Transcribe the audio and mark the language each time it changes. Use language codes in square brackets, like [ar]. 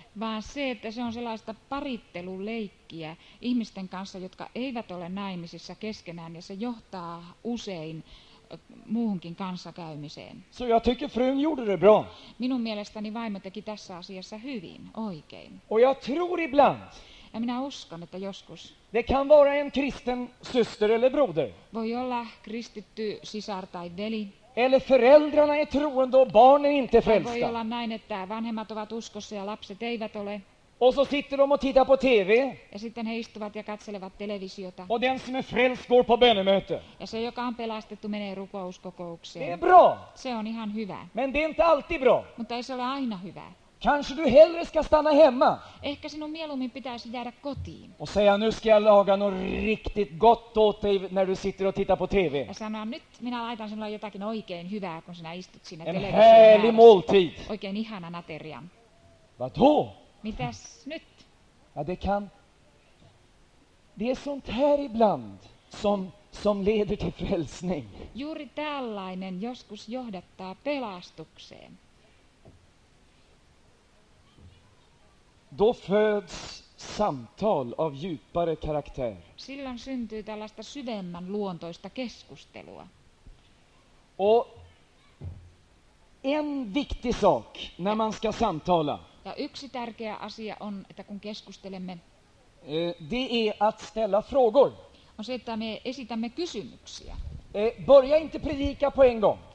[fi] Vaan se, että se on sellaista paritteluleikkiä ihmisten kanssa, jotka eivät ole naimisissa keskenään, ja se johtaa usein muuhunkin kanssakäymiseen. [sv] Så jag tycker frun gjorde det bra. [fi] Minun mielestäni vaimo teki tässä asiassa hyvin, oikein. [sv] Och jag tror ibland. [fi] Ja minä uskon, että joskus. [sv] Det kan vara en kristen syster eller broder. [fi] Voi olla kristitty sisar tai veli. [sv] Eller föräldrarna är troende och barnen inte frälsta. [fi] Voi olla näin, että vanhemmat ovat uskossa ja lapset eivät ole. [sv] Och så sitter de och tittar på TV. [fi] Ja sitten he istuvat ja katselevat televisiota. [sv] Och den som är frälst går på bönemöte. [fi] Ja se, joka on pelastettu, menee rukouskokoukseen. [sv] Det är bra. [fi] Se on ihan hyvä. [sv] Men det är inte alltid bra. [fi] Mutta ei se ole aina hyvä. [sv] Kanske du hellre ska stanna hemma. [fi] Ehkä sinun mieluummin pitäisi jäädä kotiin. [sv] Och säga, nu ska jag laga något riktigt gott åt dig när du sitter och tittar på TV. [fi] Ja sanoa, nyt minä laitan sinulle jotakin oikein hyvää, kun sinä istut siinä televisiossa. [sv] En härlig måltid. [fi] Oikein ihanan aterian. [sv] Vadå? [fi] Mitäs nyt? [sv] Ja, det kan. Det är sånt här ibland som leder till frälsning. [fi] Juuri tällainen joskus johdattaa pelastukseen. [sv] Då föds samtal av djupare karaktär. [fi] Silloin syntyy tällaista syvemmän luontoista keskustelua. [sv] Och en viktig sak när man ska samtala. [fi] Ja yksi tärkeä asia on, että kun keskustelemme, [sv] det är att ställa frågor. [fi] On se, että me esitämme kysymyksiä. [sv] Börja inte predika på en gång.